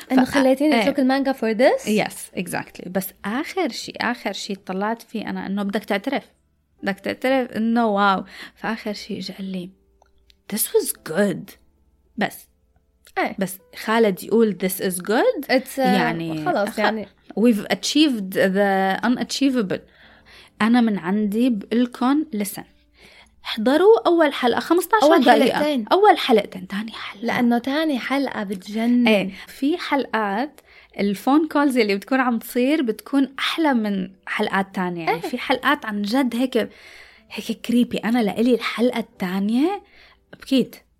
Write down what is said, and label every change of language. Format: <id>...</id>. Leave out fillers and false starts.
<ar>أنه خليتيني أترك المانجا</ar> <en>for this. Yes exactly.</en> <ar>بس آخر شيء طلعت فيه أنا أنه بدك تعترف أنه واو. فآخر شيء جاء لي</ar> <en>this was good.</en> <ar>بس أيه. بس خالد يقول</ar> <en>this is good</en> <ar>يعني خلاص يعني</ar> <en>we've achieved the unachievable.</en> <ar>انا من عندي بقولكم</ar> <en>listen</en> <ar>احضروا اول حلقه 15 دقيقة اول حلقتين ثاني حلقه لانه ثاني حلقه بتجنن. أيه. في حلقات الفون كولز اللي بتكون عم تصير بتكون احلى من حلقات تانية. أيه. في حلقات عن جد هيك كريبي. انا لقلي الحلقه الثانيه بكيت.</ar>